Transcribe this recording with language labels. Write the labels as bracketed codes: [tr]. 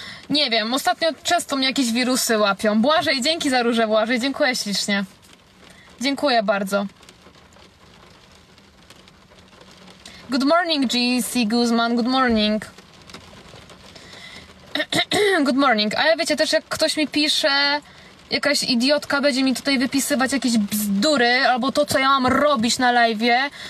[pl] Nie wiem, ostatnio często mnie jakieś wirusy łapią. Błażej, dzięki za róże, Błażej, dziękuję ślicznie. Dziękuję bardzo. [en] Good morning, GC Guzman, good morning. Good morning. [pl] A ja wiecie, też jak ktoś mi pisze... Jakaś idiotka będzie mi tutaj wypisywać jakieś bzdury, albo to, co ja mam robić na live'ie.